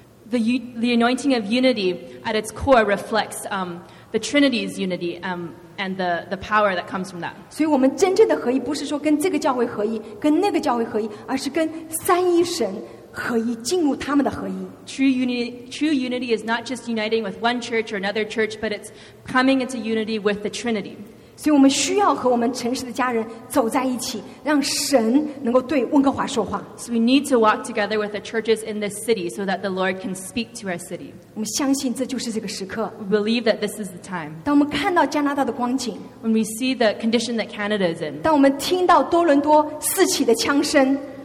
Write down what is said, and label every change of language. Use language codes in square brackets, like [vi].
[en] The anointing of unity at its core reflects the Trinity's unity and the power that comes from that. [zh] 所以我们真正的合一不是说跟这个教会合一，跟那个教会合一，而是跟三一神合一，进入他们的合一。 [en] True unity is not just uniting with one church or another church, but it's coming into unity with the Trinity. [zh] 所以我们需要和我们城市的家人走在一起，让神能够对温哥华说话。 [en] So we need to walk together with the churches in this city so that the Lord can speak to our city. [zh] 我们相信这就是这个时刻。 [en] We believe that this is the time. [zh] 当我们看到加拿大的光景。 [en] When we see the condition that Canada is in. [zh] 当我们听到多伦多四起的枪声。